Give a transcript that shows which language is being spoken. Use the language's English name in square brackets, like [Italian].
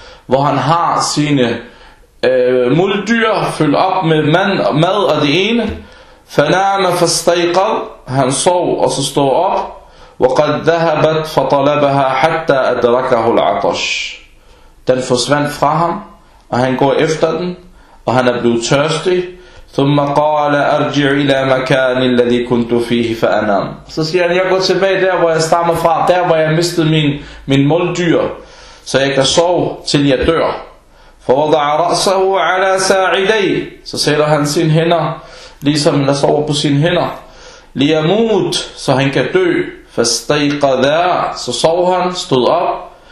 [Danish] Hvor han har sine muldyr fyldt op med mad og det ene. [Arabic] Fanama fastayqal, [Danish] han sov og så stod op. [Arabic] وقد ذهبت فطلبها حتى أدركه العطش. [Danish] Den forsvandt fra ham, og han går efter den, og han er blevet tørstig. [Arabic] ثم قال أرجع إلى مكان الذي كنت فيه فأنام. [Danish] Så siger han, jeg går tilbage der, hvor jeg stammer fra, der hvor jeg mistede min muldyr, så jeg kan sove til jeg dør. [Arabic] فوضع رأسه على ساعدي. [Danish] Så sætter han sin hænder, ligesom han sover på sin hænder. [Arabic] ليموت, [Danish] så han kan dø. [Arabic] فَاسْتَيْقَذَا, [Danish] så sov han, stod op.